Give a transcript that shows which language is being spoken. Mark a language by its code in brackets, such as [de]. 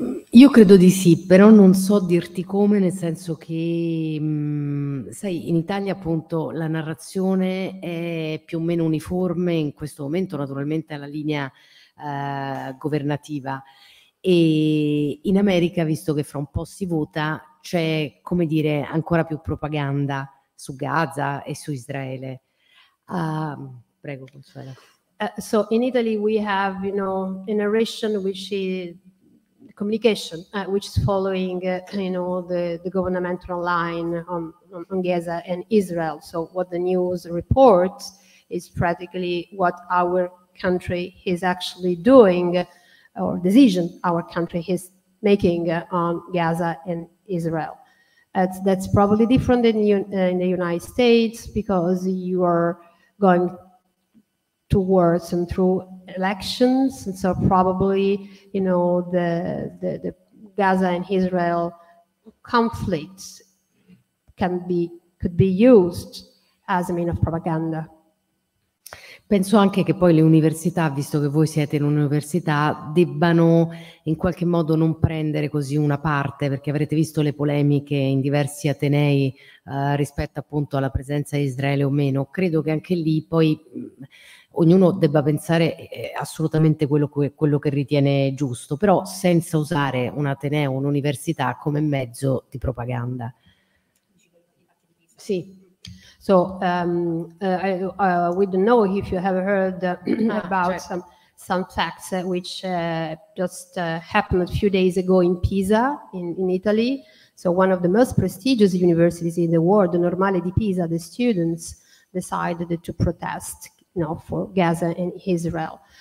[it] Io credo di sì, però non so dirti come, nel senso che sai, in Italia appunto la narrazione è più o meno uniforme in questo momento, naturalmente alla linea governativa, e in America, visto che fra un po' si vota, c'è, come dire, ancora più propaganda su Gaza e su Israele. Prego, Consuelo. [en] So in Italy we have, you know, a narration which is communication, which is following, you know, the governmental line on Gaza and Israel. So what the news reports is practically what our country is actually doing, or decision our country is making on Gaza and Israel. That's probably different than in the United States, because you are going towards and through elections, and so probably, you know, the Gaza and Israel conflicts could be used as a means of propaganda. [it] Penso anche che poi le università, visto che voi siete in un'università, debbano in qualche modo non prendere così una parte, perché avrete visto le polemiche in diversi atenei rispetto appunto alla presenza di Israele o meno. Credo che anche lì poi ognuno debba pensare assolutamente quello che ritiene giusto, però senza usare un ateneo, un'università come mezzo di propaganda. Sì. [en] So we don't know if you have heard about some facts which just happened a few days ago in Pisa in Italy. So one of the most prestigious universities in the world, the Normale di Pisa, the students decided to protest, you know, for Gaza and Israel.